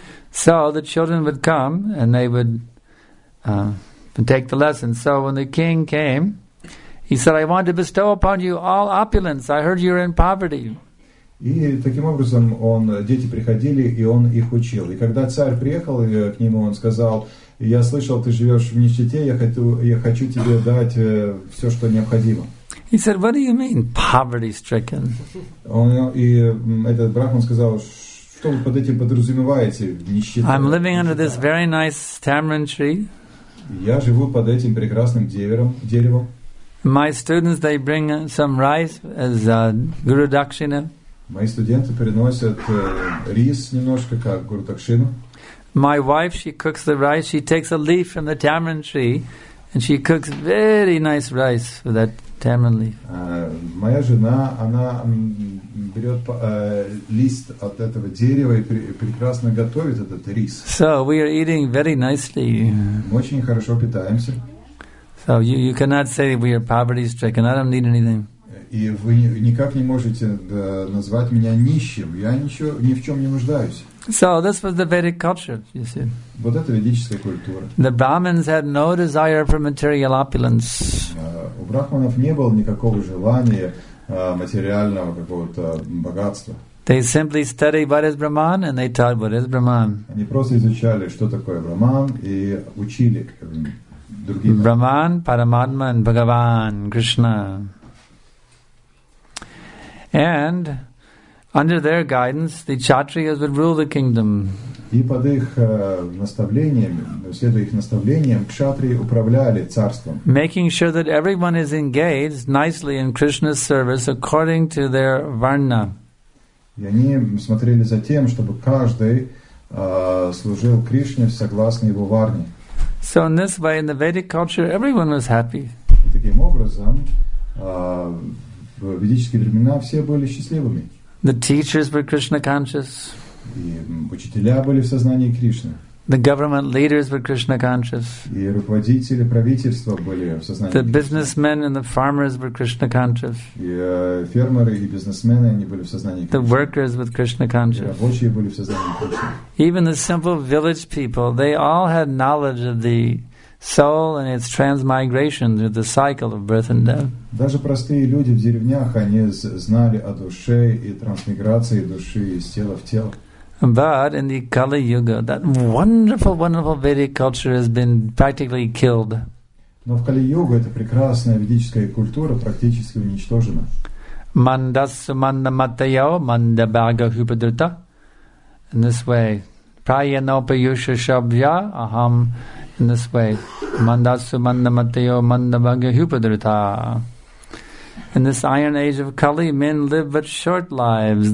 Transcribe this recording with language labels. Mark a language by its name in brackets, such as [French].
[English] So the children would come and they would and take the lesson. So when the king came, he said, I want to bestow upon you all opulence. I heard you're in poverty. [Russian] И таким образом он, дети приходили, и он их учил. И когда царь приехал к нему, он сказал, я слышал, ты живешь в нищете, я хочу тебе дать все, что необходимо. [English] He said, what do you mean, poverty stricken? [Russian] И этот брахман сказал, что вы под этим подразумеваете, нищета? [English] I'm living under this very nice tamarind tree. [Russian] Я живу под этим прекрасным деревом. [English] My students, they bring some rice as guru dakshina. [Russian] Мои студенты приносят рис немножко как guru dakshina. [English] My wife, she cooks the rice. She takes a leaf from the tamarind tree, and she cooks very nice rice with that tamarind leaf. [Russian] Моя жена, она берет лист от этого дерева и прекрасно готовит этот рис. [English] So we are eating very nicely. [Russian] Мы очень хорошо питаемся. [English] So you cannot say we are poverty stricken. I don't need anything. [Russian] И вы никак не можете назвать меня нищим. Я ничего, ни в чем не нуждаюсь. [English] So this was the Vedic culture, you see. [Russian] Вот это ведическая культура. [English] The Brahmins had no desire for material opulence. [Russian] У брахманов не было никакого желания материального какого-то богатства. [English] They simply studied what is Brahman and they taught what is Brahman. [Russian] Они просто изучали, что такое Брахман, и учили другие. [English] Brahman, Paramatma, and Bhagavan, Krishna. And under their guidance, the Kshatriyas would rule the kingdom. [Russian] И под их наставлением, кшатрии управляли царством. [English] Making sure that everyone is engaged nicely in Krishna's service according to their varna. [Russian] И они смотрели за тем, чтобы каждый служил Кришне согласно его варне. [English] So in this way, in the Vedic culture, everyone was happy. [Russian] И таким образом, в ведические времена все были счастливыми. [English] The teachers were Krishna conscious. [Russian] И учителя были в сознании Кришны. [English] The government leaders were Krishna conscious. [Russian] И руководители правительства были в сознании. [English] The businessmen and the farmers were Krishna conscious. [Russian] И фермеры и бизнесмены, они были в сознании Кришны. [English] The workers were Krishna conscious. [Russian] И рабочие были в сознании Кришны. [English] Even the simple village people, they all had knowledge of the soul and its transmigration through the cycle of birth and death. [Russian] Даже простые люди в деревнях, они знали о душе и трансмиграции души из тела в тело. [English] But in the Kali Yuga, that wonderful, wonderful Vedic culture has been practically killed. [Russian] Но в Кали Юга эта прекрасная ведическая культура практически уничтожена. [Sanskrit] Мандасу манда матайо манда бага хупадрита. [English] In this way, [Sanskrit] прайянопаюша шабья ахам. [English] In this way, [Sanskrit] Mandasu Mandamateo Mandabhagya Hupadrita. [English] In this iron age of Kali, men live but short lives.